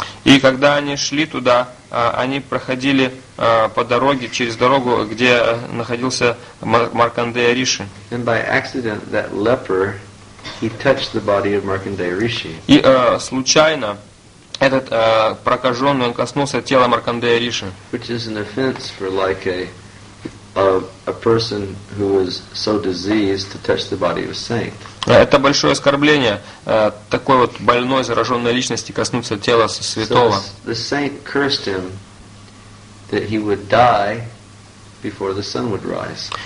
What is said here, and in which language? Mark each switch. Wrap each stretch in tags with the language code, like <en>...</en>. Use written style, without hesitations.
<ru>И когда они шли туда, они проходили по дороге, через дорогу, где находился Маркандея Риши.</ru> <en>And by accident, that leper, he touched the body of Markandeya Rishi.</en> <ru>И случайно этот прокаженный, он коснулся тела Маркандея Риши.</ru> <en>Which is an offense for like a person who is so diseased to touch the body of a saint.</en> <ru>Это большое оскорбление такой вот больной, зараженной личности коснуться тела святого.</ru> <en>So the saint cursed him that he would die before the sun would rise.</en>